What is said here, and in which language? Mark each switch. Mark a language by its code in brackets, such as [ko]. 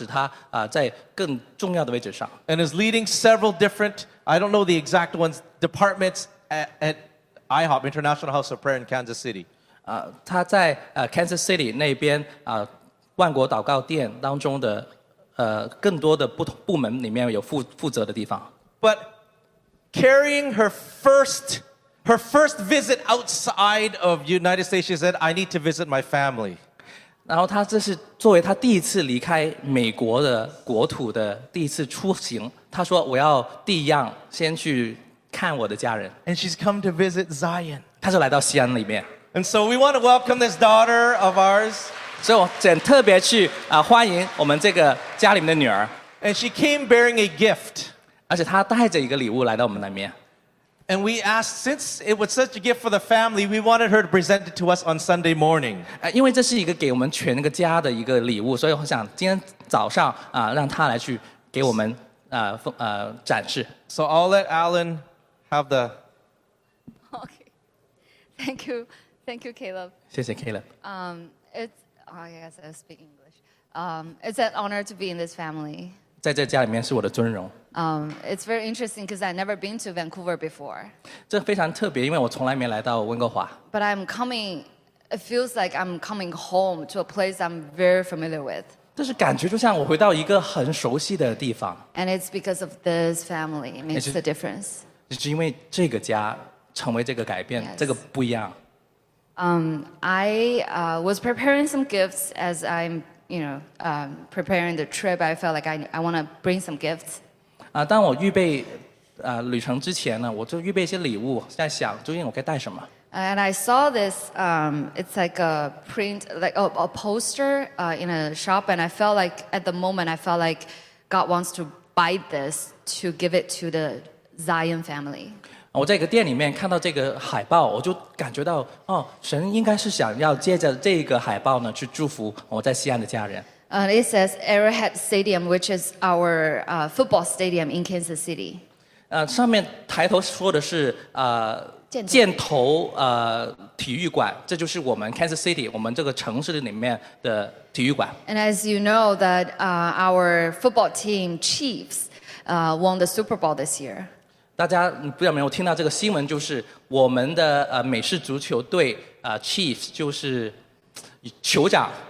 [zh] 所以现在主就把更多的事情托付给他，使他在更重要的位置上。 [en] And is leading several different, I don't know the exact ones, departments at IHOP, International House of Prayer in Kansas City. [zh] 他在Kansas City那边万国祷告殿当中的更多的不同部门里面有负责的地方。 [en] But carrying her first visit outside of United States, she said, I need to visit my family. [zh] 然后他这是作为他第一次离开美国的国土的第一次出行，他说我要第一样先去看我的家人。 [en] And she's come to visit Zion. [zh] 他是来到西安里面。 [en] And so we want to welcome this daughter of ours. [zh] 所以我想特别去欢迎我们这个家里面的女儿。 [en] And she came bearing a gift. [zh] 而且她带着一个礼物来到我们那边。 [en] And we asked, since it was such a gift for the family, we wanted her to present it to us on Sunday morning. [zh] 因为这是一个给我们全个家的一个礼物，所以我想今天早上让她来去给我们展示。 [en] So I'll let Alan have the... Okay. Thank you. Thank you, Caleb. [zh] 谢谢 Caleb. [en] I guess I speak English. It's an honor to be in this family. [zh] 在这家里面是我的尊荣。 [en] It's very interesting because I've never been to Vancouver before. [zh] 这非常特别，因为我从来没来到温哥华。 [en] But I'm coming, it feels like I'm coming home to a place I'm very familiar with. [zh] 这是感觉就像我回到一个很熟悉的地方。 [en] And it's because of this family, it makes the difference. [zh] 只是因为这个家成为这个改变，这个不一样。 [en] I was preparing some gifts as I'm, preparing the trip. I felt like I want to bring some gifts. [zh] 当我预备旅程之前呢，我就预备一些礼物，在想究竟我该带什么。 [en] And I saw this, it's like a print, like a poster, in a shop, and I felt like at the moment I felt like God wants to buy this to give it to the Zion family. [zh] 我在一个店里面看到这个海报，我就感觉到哦，神应该是想要借着这个海报呢，去祝福我在西安的家人。 [en] It says Arrowhead Stadium, which is our football stadium in Kansas City. [zh] 上面抬头说的是箭头体育馆，这就是我们 Kansas City, 我们这个城市里面的体育馆。 [en] And as you know, that our football team Chiefs won the Super Bowl this year. [zh] 大家不要没有听到这个新闻，就是我们的美式足球队Chiefs 就是酋长。